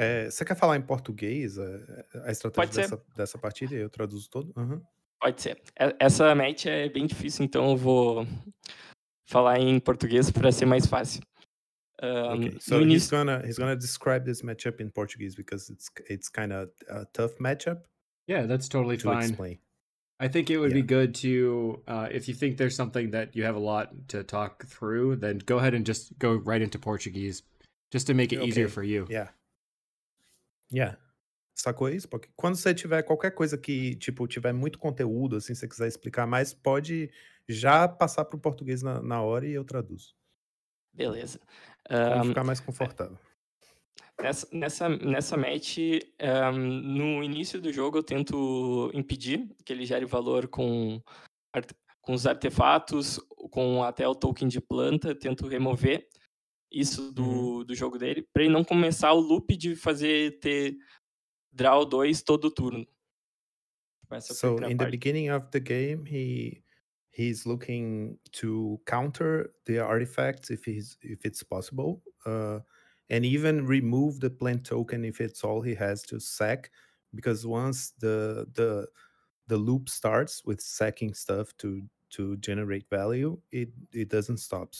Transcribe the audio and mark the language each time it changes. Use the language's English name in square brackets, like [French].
[Portuguese] Você quer falar em português a estratégia dessa partida e eu traduzo todo? Uhum. Pode ser. Essa match é bem difícil, então eu vou falar em português para ser mais fácil. [English] Okay, so he's gonna describe this matchup in Portuguese because it's kind of a tough matchup. Yeah, that's totally fine. Explain. I think it would be good to, if you think there's something that you have a lot to talk through, then go ahead and just go right into Portuguese, just to make it easier for you. [Portuguese] Yeah. Yeah. Sacou isso? Porque quando você tiver qualquer coisa que, tipo, tiver muito conteúdo, assim, você quiser explicar mais, pode já passar pro português na hora e eu traduzo. Beleza. Pra ficar mais confortável. Nessa match, no início do jogo eu tento impedir que ele gere valor com os artefatos, com até o token de planta, tento remover isso do jogo dele, para ele não começar o loop de fazer ter draw 2 todo turno. [English] So, in the beginning of the game, he's looking to counter the artifacts if it's possible. And even remove the plant token if it's all he has to sack, because once the loop starts with sacking stuff to generate value, it doesn't stop.